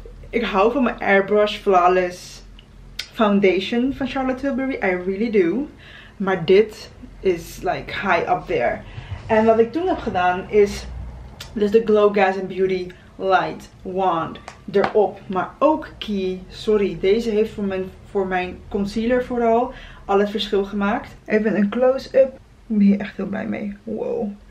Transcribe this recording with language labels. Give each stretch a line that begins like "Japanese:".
Dutch: Ik hou van mijn Airbrush Flawless Foundation van Charlotte Tilbury.
English: I really do.
Dutch: Maar dit is
English: like high up there.
Dutch: En wat ik toen heb gedaan is dus de Glow Gas & Beauty Light Wand erop. Maar ook key, sorry, deze heeft voor mijn concealer vooral al het verschil gemaakt. Even een close-up. Ik ben hier echt heel blij mee. Wow.